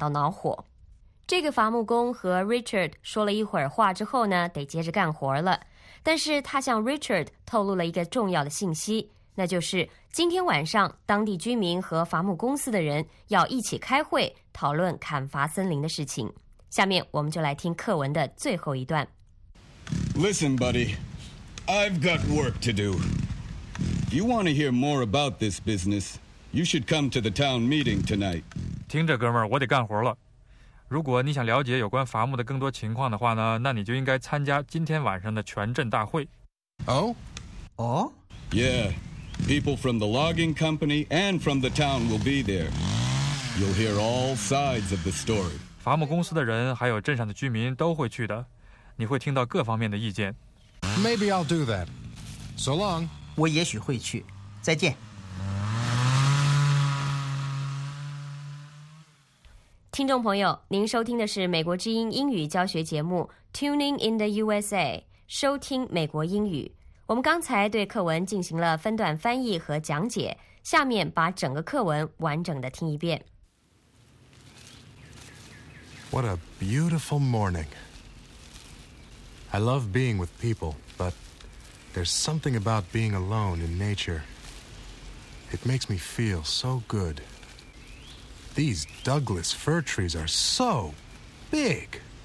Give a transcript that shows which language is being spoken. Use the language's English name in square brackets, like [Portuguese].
[Chinese] 在这个小镇盖一个沃尔玛商店的计划让很多居民感到恼火。这个伐木工和 Richard 说了一会儿话之后呢，得接着干活了。但是他向 Richard 透露了一个重要的信息，那就是 今天晚上，当地居民和伐木公司的人要一起开会，讨论砍伐森林的事情。下面我们就来听课文的最后一段。 [English] Listen, buddy, I've got work to do. You want to hear more about this business? You should come to the town meeting tonight. [Chinese] 听着，哥们儿，我得干活了。如果你想了解有关伐木的更多情况的话呢，那你就应该参加今天晚上的全镇大会。 [English] Oh? Oh? Yeah. People from the logging company and from the town will be there. You'll hear all sides of the story. [Chinese] 伐木公司的人还有镇上的居民都会去的，你会听到各方面的意见。 [English] Maybe I'll do that. So long. [Chinese] 我也许会去。再见。听众朋友，您收听的是美国之音英语教学节目 Tuning in the USA， 收听美国英语。我们刚才对课文进行了分段翻译和讲解，下面把整个课文完整的听一遍。 [English] What a beautiful morning. I love being with people, but there's something about being alone in nature. It makes me feel so good. These Douglas fir trees are so big.